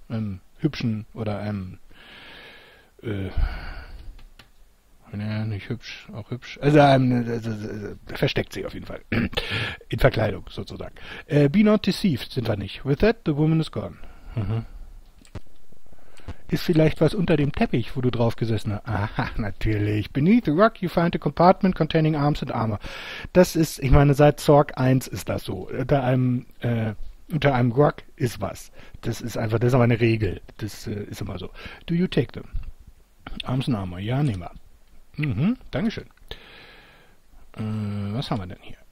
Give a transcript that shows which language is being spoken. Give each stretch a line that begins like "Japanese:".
German: Einem hübschen, oder einem, versteckt sich auf jeden Fall. In Verkleidung, sozusagen.
English: Be not deceived,
German: sind wir nicht.
English: With that, the woman is gone.
German: Ist vielleicht was unter dem Teppich, wo du drauf gesessen hast? Aha, natürlich.
English: Beneath the rug you find a compartment containing arms and armor.
German: Das ist, ich meine, seit Zork 1 ist das so. Unter einem rug ist was. Das ist aber eine Regel. Das ist immer so.
English: Do you take them? Arms and armor.
German: Ja, nehmen wir. Dankeschön. Was haben wir denn hier?